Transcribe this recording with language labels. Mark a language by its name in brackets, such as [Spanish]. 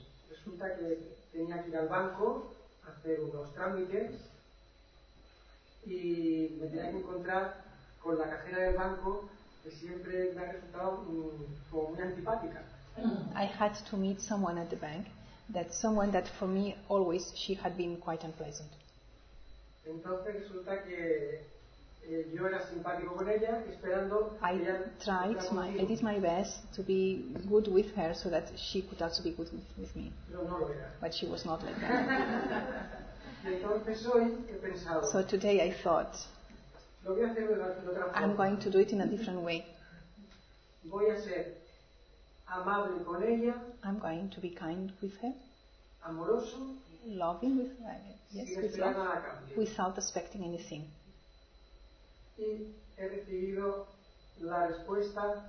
[Spanish] Resulta que tenía que ir al banco a hacer unos trámites y me tenía que encontrar con la cajera del banco que siempre me ha resultado como muy antipática. [English] I had to meet someone at the bank, that someone that for me always she had been quite unpleasant. [Spanish] Entonces resulta que yo era simpático con ella, esperando [English] I [Spanish] que ella [English] tried my I did my best to be good with her so that she could also be good with me. [Spanish] Pero no lo era. [English] But she was not like that. [Spanish] Entonces hoy he pensado. [English] So today I thought. [Spanish] Lo voy a hacer de otra forma. [English] I'm going to do it in a different way. [Spanish] Voy a ser amable con ella. [English] I'm going to be kind with her. [Spanish] Amoroso. [English] Loving with her. Yes, [Spanish] sin [English] with love. Without expecting anything. [Spanish] Y he recibido la respuesta